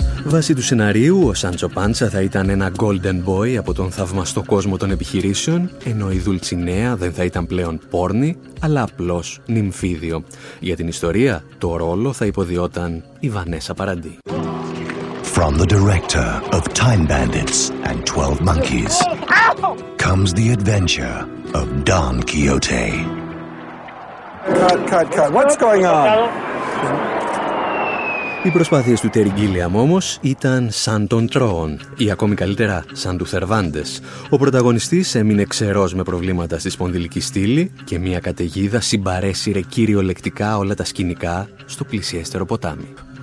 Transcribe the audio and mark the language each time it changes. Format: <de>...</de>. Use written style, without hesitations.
<el>Βάσει του σεναρίου, ο Σάντσο Πάντσα θα ήταν ένα</el> <en>golden boy</en> <el>από τον θαυμαστό κόσμο των επιχειρήσεων, ενώ η Δουλτσινέα δεν θα ήταν πλέον πόρνη, αλλά απλώς νυμφίδιο. Για την ιστορία, το ρόλο θα υποδιόταν η Βανέσα Παραντί.</el> <en>From the director of Time Bandits and 12 Monkeys comes the adventure of Don Quixote. Cut, cut, cut. What's going on?</en> <el>Οι προσπάθειες του Τέρι Γκίλιαμ όμως ήταν σαν των τρόων ή ακόμη καλύτερα σαν του Θερβάντες. Ο πρωταγωνιστής έμεινε ξερός με προβλήματα στη σπονδυλική στήλη και μια καταιγίδα συμπαρέσυρε κυριολεκτικά όλα τα σκηνικά στο πλησιέστερο ποτάμι.</el>